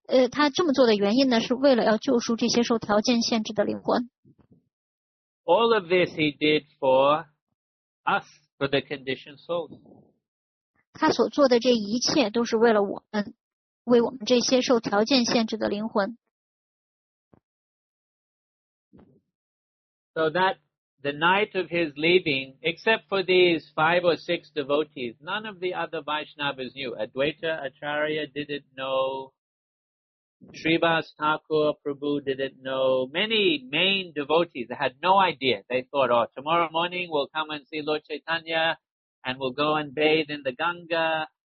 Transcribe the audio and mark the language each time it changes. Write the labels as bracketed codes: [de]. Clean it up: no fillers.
[zh] 他这么做的原因呢，是为了要救赎这些受条件限制的灵魂。 [en] All of this he did for us, for the conditioned souls. [zh] 他所做的这一切都是为了我们，为我们这些受条件限制的灵魂。 [en] So that. The night of his leaving, except for these five or six devotees, none of the other Vaishnavas knew. Advaita Acharya didn't know. Srivas Thakur Prabhu didn't know. Many main devotees had no idea. They thought, oh, tomorrow morning we'll come and see Lord Chaitanya and we'll go and bathe in the Ganga.